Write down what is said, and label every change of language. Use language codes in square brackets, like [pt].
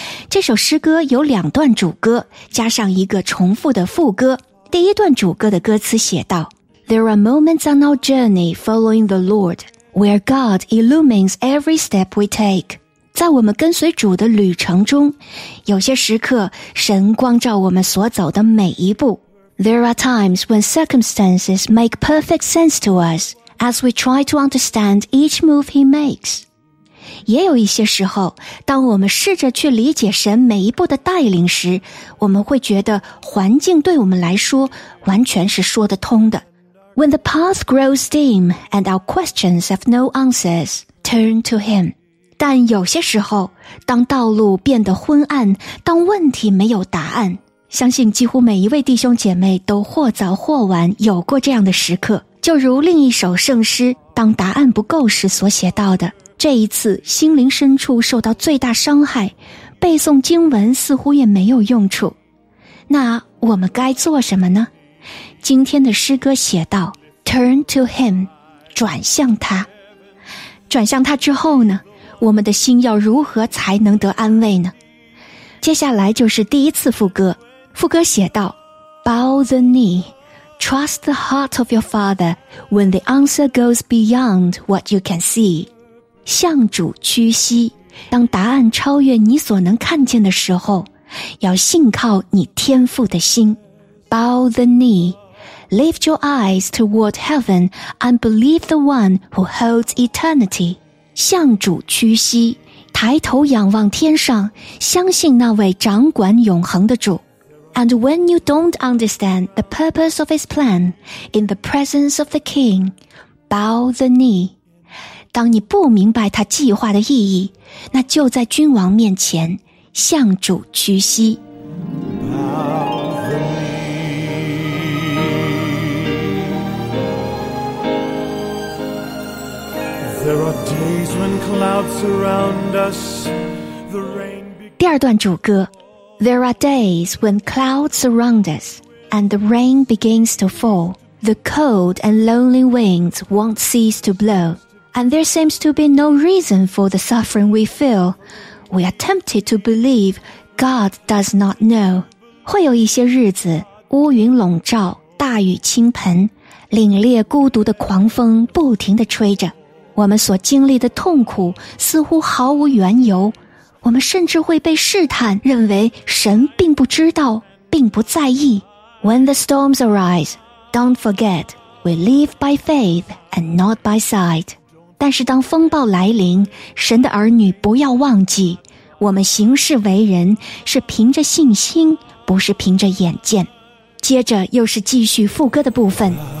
[zh] 这首诗歌有两段主歌，加上一个重复的副歌。第一段主歌的歌词写道： [en] There are moments on our journey following the Lord,Where God illumines every step we take. [zh] 在我们跟随主的旅程中，有些时刻神光照我们所走的每一步。 [en] There are times when circumstances make perfect sense to us as we try to understand each move he makes. [zh] 也有一些时候，当我们试着去理解神每一步的带领时，我们会觉得环境对我们来说完全是说得通的。 [en] When the path grows dim and our questions have no answers, turn to Him. [zh] 但有些时候，当道路变得昏暗，当问题没有答案，相信几乎每一位弟兄姐妹都或早或晚有过这样的时刻。就如另一首圣诗《当答案不够时》所写到的，这一次心灵深处受到最大伤害，背诵经文似乎也没有用处。那我们该做什么呢？今天的诗歌写道 [en] Turn to Him, [zh] 转向他。转向他之后呢，我们的心要如何才能得安慰呢？接下来就是第一次副歌。副歌写道 [en] Bow the knee, trust the heart of your father when the answer goes beyond what you can see. [zh] 向主屈膝，当答案超越你所能看见的时候，要信靠你天父的心。 [en] Bow the knee, lift your eyes toward heaven and believe the one who holds eternity. [zh] 向主屈膝，抬头仰望天上，相信那位掌管永恒的主。 [en] And when you don't understand the purpose of his plan, in the presence of the king, bow the knee. [zh] 当你不明白他计划的意义，那就在君王面前，向主屈膝。 [en] There are days when clouds surround us, the rain begins. [zh] 第二段主歌 [en] There are days when clouds surround us, and the rain begins to fall. The cold and lonely winds won't cease to blow. And there seems to be no reason for the suffering we feel. We are tempted to believe God does not know. [zh] 会有一些日子，乌云笼罩，大雨倾盆，凛冽孤独的狂风不停地吹着。我们所经历的痛苦似乎毫无缘由，我们甚至会被试探，认为神并不知道，并不在意。 [en] When the storms arise, don't forget, we live by faith and not by sight. [zh] 但是当风暴来临，神的儿女不要忘记，我们行事为人是凭着信心，不是凭着眼见。接着又是继续副歌的部分。